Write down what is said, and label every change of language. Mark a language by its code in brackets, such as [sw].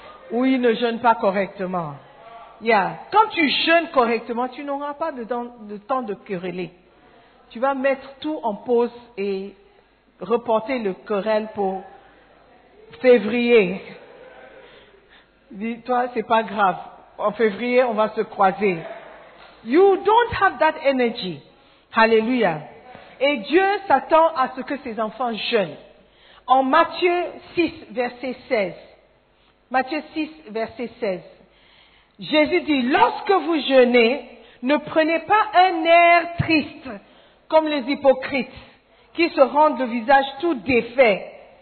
[fr] Ou il ne jeûne pas correctement. Yeah. Quand tu jeûnes correctement, tu n'auras pas de temps de quereller. Tu vas mettre tout en pause et reporter le querelle pour février. Dis-toi, c'est pas grave. En février, on va se croiser. [en] You don't have that energy. Hallelujah. [fr] Et Dieu s'attend à ce que ses enfants jeûnent. En Matthieu 6, verset 16. Matthieu 6, verset 16. Jésus dit, lorsque vous jeûnez, ne prenez pas un air triste comme les hypocrites qui se rendent le visage tout défait.